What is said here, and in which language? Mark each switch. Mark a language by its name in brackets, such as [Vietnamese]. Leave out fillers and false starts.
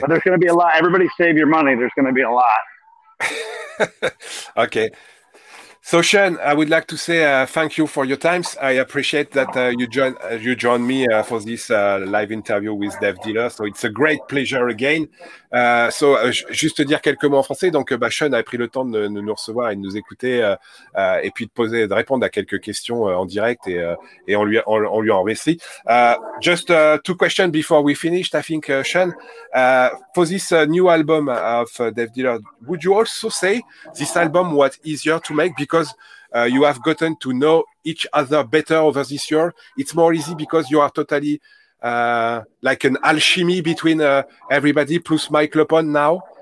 [English] But there's going to be a lot. Everybody, save your money. There's going to be a lot. Okay. So, Sean, I would like to say thank you for your time. I appreciate that you joined me for this live interview with Dev Dealer. So, it's a great pleasure again. [French] Juste dire quelques mots en français. Donc, Sean a pris le temps de nous recevoir et de nous écouter et puis de répondre à quelques questions en direct et on lui en remercie. [English] Two questions before we finish, I think, Sean. For this new album of Dev Dealer, would you also say this album was easier to make because you have gotten to know each other better over this year? It's more easy because you are totally like an alchemy between everybody plus Mike Lepon now.